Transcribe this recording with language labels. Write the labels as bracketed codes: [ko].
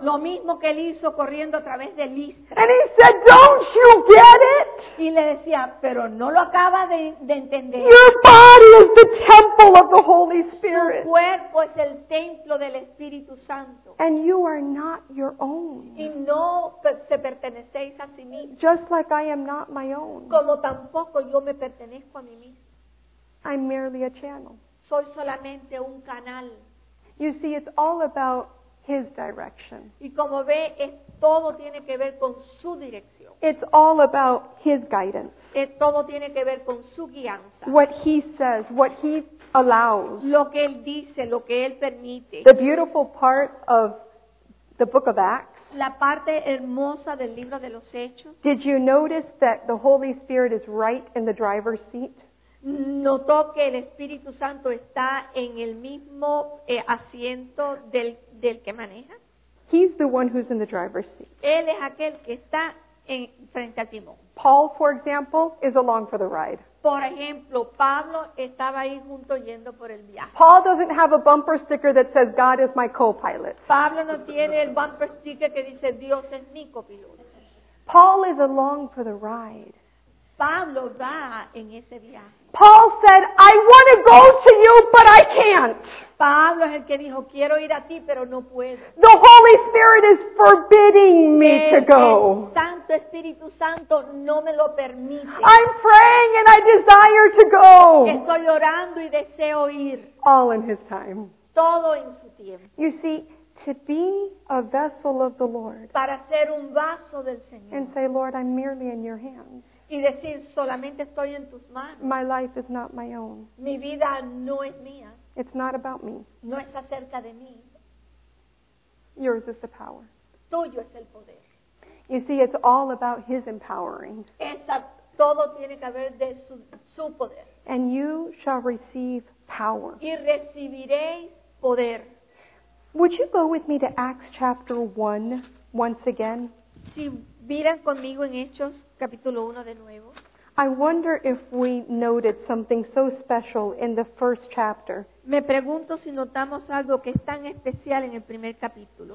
[es] Lo mismo que él hizo corriendo a través de Lystra. [en] And he said, "Don't you get it?" [es] Y le decía, pero no lo acaba de entender. [en] Your body is the temple of the Holy Spirit. [es] Su cuerpo es el templo del Espíritu Santo. [en] And you are not your own. [es] Y no se pertenecéis a sí mismo. [en] Just like I am not my own. [es] Como tampoco yo me pertenezco a mí mismo. [en] I'm merely a channel. [es] Soy solamente un canal. [en] You see, it's all about His direction. [es] Y como ve, todo tiene que ver con su dirección. [en] It's all about His guidance. [es] Todo tiene que ver con su guianza. [en] What He says, what He allows. [es] Lo que Él dice, lo que Él permite. [en] The beautiful part of the book of Acts. [es] La parte hermosa del libro de los Hechos. [en] Did you notice that the Holy Spirit is right in the driver's seat? [es] Notó que el Espíritu Santo está en el mismo asiento del que maneja. [en] He's the one who's in the driver's seat. [es] Él es aquel que está frente al timón. [en] Paul, for example, is along for the ride. [es] Por ejemplo, Pablo estaba ahí junto yendo por el viaje. [en] Paul doesn't have a bumper sticker that says God is my co-pilot. [es] Pablo no tiene el [en] bumper sticker [es] que dice Dios es mi copiloto. [en] Paul is along for the ride. [es] Pablo va en ese viaje. [en] Paul said, I want to go to you, but I can't. [es] Pablo es el que dijo, quiero ir a ti, pero no puedo. [en] The Holy Spirit is forbidding me to go. [es] El Santo Espíritu Santo no me lo permite. [en] I'm praying and I desire to go. [es] Estoy orando y deseo ir. [en] All in His time. [es] Todo en su tiempo. [en] You see, to be a vessel of the Lord. [es] Para ser un vaso del Señor. [en] And say, Lord, I'm merely in your hands. [es] Y decir, solamente estoy en tus manos. [en] My life is not my own. [es] Mi vida no es mía. [en] It's not about me. [es] No es acerca de mí. [en] Yours is the power. [es] Tuyo es el poder. [en] You see, it's all about His empowering. [es] Todo tiene que ver de su poder. [en] And you shall receive power. [es] Y recibiréis poder. [en] Would you go with me to Acts chapter 1 once again? [es] Si miran conmigo en Hechos capítulo 1 de nuevo. [en] I wonder if we noted something so special in the first chapter. [es] Me pregunto si notamos algo que es tan especial en el primer capítulo.